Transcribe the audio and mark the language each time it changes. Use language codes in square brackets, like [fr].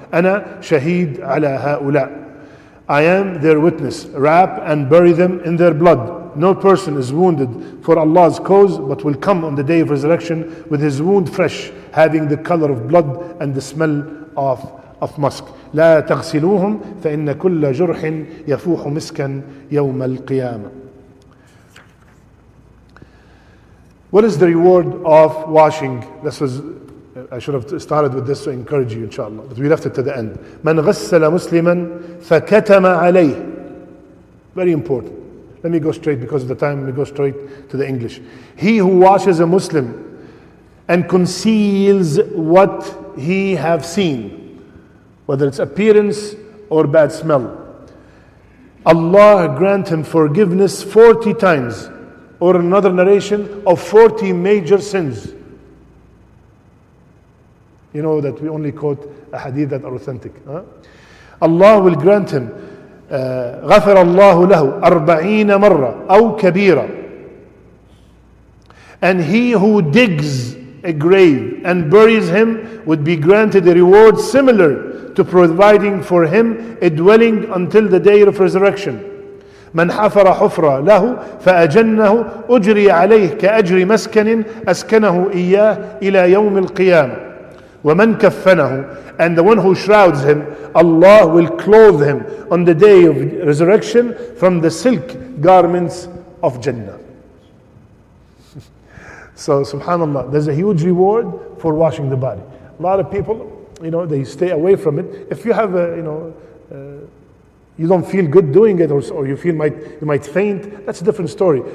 [en] Ana shaheed ala haula. I am their witness. Wrap and bury them in their blood. No person is wounded for Allah's cause, but will come on the day of resurrection with his wound fresh, having the color of blood and the smell of musk. [ar] لا تغسلوهم فإن كل جرح يفوح مسكا يوم القيامة. [en] What is the reward of washing? This was, I should have started with this to encourage you, inshallah. But we left it to the end. من غسل مسلما فكتم عليه. Very important. Let me go straight because of the time. Let me go straight to the English. He who washes a Muslim and conceals what he have seen, whether it's appearance or bad smell, Allah grant him forgiveness 40 times, or another narration of 40 major sins. You know that we only quote a hadith that are authentic. Huh? [ar] Allah will grant him غفر الله له 40 مرة أو كبيرة. [en] And he who digs a grave and buries him would be granted a reward similar to providing for him a dwelling until the day of resurrection. [ar] من حفر حفرة له فأجنه أجري عليه كأجر مسكن أسكنه إياه إلى يوم القيامة. وَمَنْ كَفَّنَهُ. [en] And the one who shrouds him, Allah will clothe him on the day of resurrection from the silk garments of Jannah. So subhanAllah, there's a huge reward for washing the body. A lot of people, you know, they stay away from it. If you have you don't feel good doing it, or you feel you might faint, that's a different story.